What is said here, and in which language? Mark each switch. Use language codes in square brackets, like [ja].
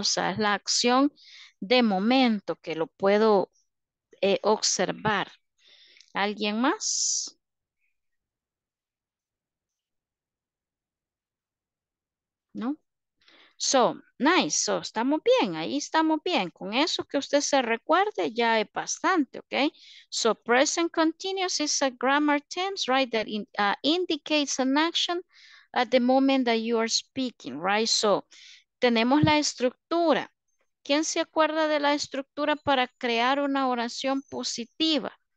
[es] O sea, es la acción de momento que lo puedo observar. ¿Alguien más? ¿No? [en] So, nice, so, [es] estamos bien, ahí estamos bien. Con eso que usted se recuerde, ya es bastante, ¿ok? [en] So, present continuous is a grammar tense, right, that indicates an action at the moment that you are speaking, right? [es] So, tenemos la estructura. ¿Quién se acuerda de la estructura para crear una oración positiva?